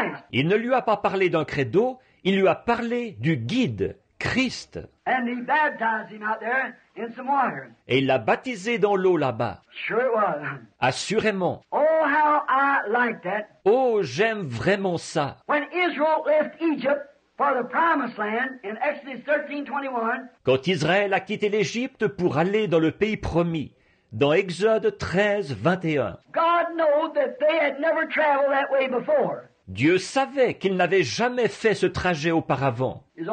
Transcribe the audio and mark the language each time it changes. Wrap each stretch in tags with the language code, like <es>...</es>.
<fr>Il ne lui a pas parlé d'un credo, il lui a parlé du guide.</fr> <en>Christ. And he baptized him out there in some water.</en> <fr>Et il l'a baptisé dans l'eau là-bas.</fr> <en>Sure it was.</en> <fr>Assurément.</fr> <en>Oh, how I like that.</en> <fr>Oh, j'aime vraiment ça.</fr> <en>When Israel left Egypt for the promised land in Exodus 13:21.</en> <fr>Quand Israël a quitté l'Égypte pour aller dans le pays promis, dans Exode 13:21.</fr> <en>God knows that they had never traveled that way before.</en> <fr>Dieu savait qu'il n'avait jamais fait ce trajet auparavant.</fr>